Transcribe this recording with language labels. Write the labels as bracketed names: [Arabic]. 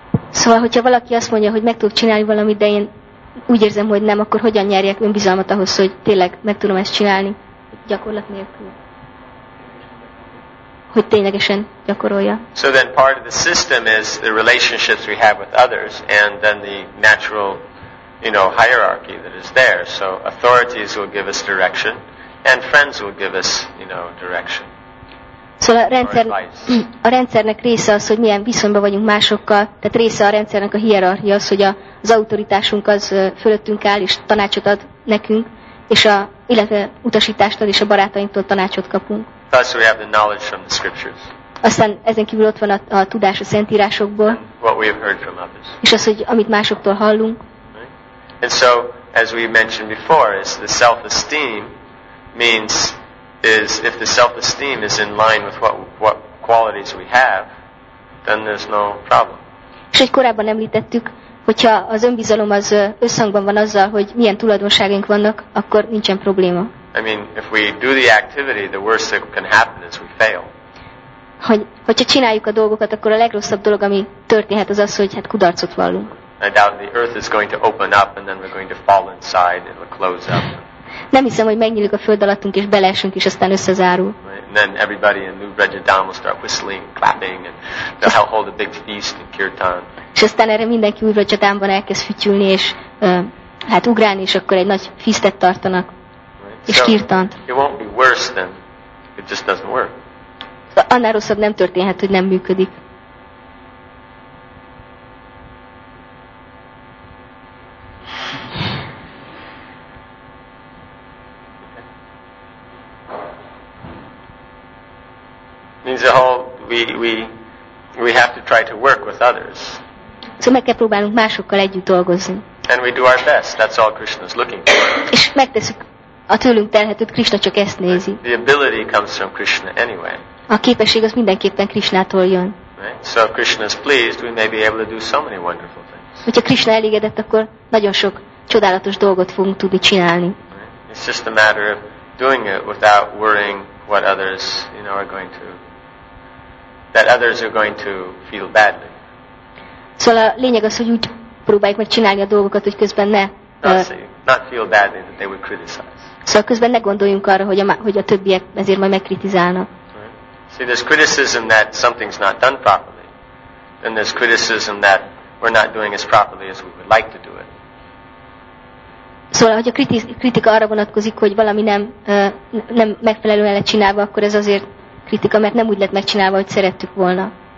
[Hungarian] Szóval, hogyha valaki azt mondja, hogy meg tudok csinálni valamit, de én úgy érzem, hogy nem, akkor hogyan nyerjek önbizalmat ahhoz, hogy tényleg meg tudom ezt csinálni gyakorlat nélkül? Hogy ténylegesen gyakorolja. [English] So then part of the system is the relationships we have with others and then the natural, you know, hierarchy that is there. So authorities will give us direction and friends will give us, you know, direction. [Hungarian] Szóval a rendszernek része az, hogy milyen viszonyban vagyunk másokkal, tehát része a rendszernek a hierarchia az, hogy az autoritásunk az fölöttünk áll, és tanácsot ad nekünk, és illetve utasítást ad, és a barátainktól tanácsot kapunk. [English] Plus we have the knowledge from the scriptures. [Hungarian] Aztán ezen kívül ott van a tudás a szentírásokból, [English] what we have heard from others. [Hungarian] És az, hogy amit másoktól hallunk. [English] Right. And so, as we mentioned before, is the self-esteem means is if the self-esteem is in line with what qualities we have, then there's no problem. [Hungarian] És hogy korábban említettük, hogyha az önbizalom az összhangban van azzal, hogy milyen tulajdonságaink vannak, akkor nincsen probléma. [English] I mean, if we do the activity, the worst thing can happen is we fail. [Hungarian] Hogyha csináljuk a dolgokat, akkor a legrosszabb dolog, ami történhet, az az, hogy hát kudarcot vallunk. [English] I doubt the earth is going to open up and then we're going to fall inside and it'll close up. [Hungarian] Nem hiszem, hogy megnyílik a föld alattunk és beleesünk és aztán összezárul. [English] And then everybody in New Brajadam will start whistling, clapping, and they'll hold a big feast in Kirtan. [Hungarian] És aztán erre mindenki New Brajadamban elkezd fütyülni és hát ugrálni, és akkor egy nagy fisztet tartanak. És [English] so [Hungarian] kirtant. [English] It won't be worse than it just doesn't work. [Hungarian] Annál rosszabb nem történhet, hogy nem működik. [English] Means the whole we have to try to work with others. [Hungarian] So meg kell próbálnunk másokkal együtt dolgozni. [English] And we do our best. That's all Krishna's looking for. [Hungarian] És megteszük a tőlünk telhetőt, Krishna csak ezt nézi. [English] The ability comes from Krishna anyway. [Hungarian] A képesség az mindenképpen Krishnától jön. [English] Right? So if Krishna is pleased, we may be able to do so many wonderful things. [Hungarian] Hogyha Krishna elégedett, akkor nagyon sok csodálatos dolgot fogunk tudni csinálni. [English] Right? It's just a matter of doing it without worrying what others, you know, are going to, that others are going to feel badly. [Hungarian] Szóval a lényeg az, hogy úgy próbáljuk meg csinálni a dolgokat, hogy közben ne [English] not feel badly that they would criticize. [Hungarian] Szóval közben ne gondoljunk arra, hogy a többiek ezért majd megkritizálnak. [English] Right. See, there's criticism that something's not done properly, and there's criticism that we're not doing as properly as we would like to do it. [Hungarian] Szóval, hogy a kritika arra vonatkozik, hogy valami nem megfelelően lett csinálva, akkor ez azért kritika, mert nem úgy lett megcsinálva, hogy szerettük volna.